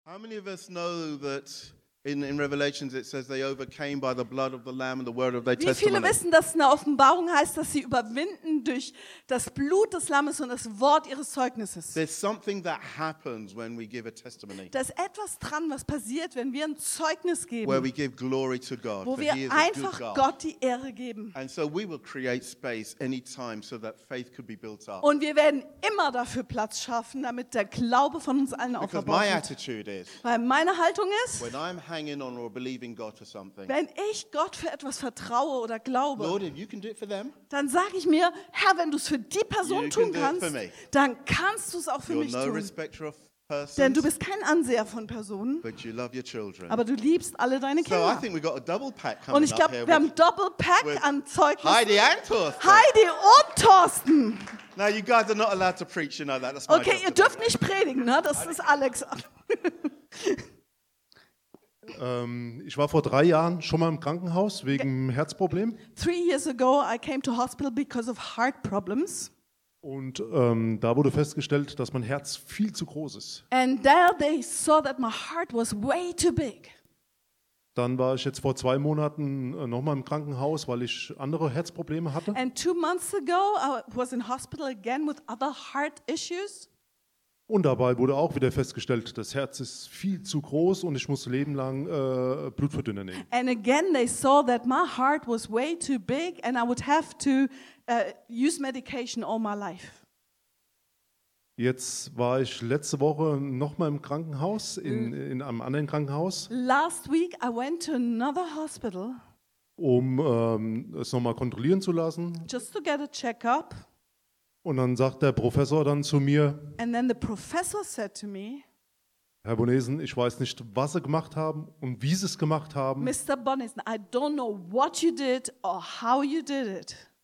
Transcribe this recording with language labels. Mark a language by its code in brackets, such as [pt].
[en] How many of us know that in Revelation it says they overcame by the blood of the Lamb and the word of their testimony? [de] Wie viele wissen, dass in der Offenbarung heißt, dass sie überwinden durch das Blut des Lammes und das Wort ihres Zeugnisses? [en] There's something that happens when we give a testimony. [de] Da ist etwas dran, was passiert, wenn wir ein Zeugnis geben. [en] Where we give glory to God, [de] wo wir einfach Gott die Ehre geben. [en] And so we will create space anytime so that faith could be built up. [de] Und wir werden immer dafür Platz schaffen, damit der Glaube von uns allen aufgebaut wird. [en] Because my attitude is, [de] weil meine Haltung ist, [en] when I'm hanging on or believing God for something. [de] Wenn ich Gott für etwas vertraue oder glaube, [en] Lord, if you can do it for them, [de] dann sage ich mir, Herr, wenn du es für die Person tun kannst, dann kannst du es auch für mich tun. [en] Respecter of persons, [de] denn du bist kein Anseher von Personen, [en] but you love your children. [de] Aber du liebst alle deine Kinder. [en] So I think we got a double pack coming. [de] Und ich glaube, wir haben Doppelpack an Zeugnissen. [en] Heidi and Thorsten. [de] Heidi und Thorsten. [en] Now you guys are not allowed to preach, you know that. That's my [de] okay, ihr dürft nicht predigen, ne? Das ist Alex. Ich war vor 3 Jahren schon mal im Krankenhaus wegen Herzproblem. [en] 3 years ago I came to hospital because of heart problems. [de] Und da wurde festgestellt, dass mein Herz viel zu groß ist. [en] And there they saw that my heart was way too big. [de] Dann war ich jetzt vor 2 Monaten nochmal im Krankenhaus, weil ich andere Herzprobleme hatte. [en] And 2 months ago I was in hospital again with other heart issues. [de] Und dabei wurde auch wieder festgestellt, das Herz ist viel zu groß und ich muss lebenlang Blutverdünner nehmen. [en] And again they saw that my heart was way too big and I would have to use medication all my life. [de] Jetzt war ich letzte Woche nochmal im Krankenhaus, in einem anderen Krankenhaus. [en] Last week I went to another hospital. [de] Um es nochmal kontrollieren zu lassen. [en] Just to get a check-up. [de] Und dann sagt der Professor dann zu mir, [en] and then the professor said to me, [de] Herr Bonesen, ich weiß nicht, was Sie gemacht haben und wie Sie es gemacht haben. [en] Mr. Bonesen, I don't know what you did or how you did it.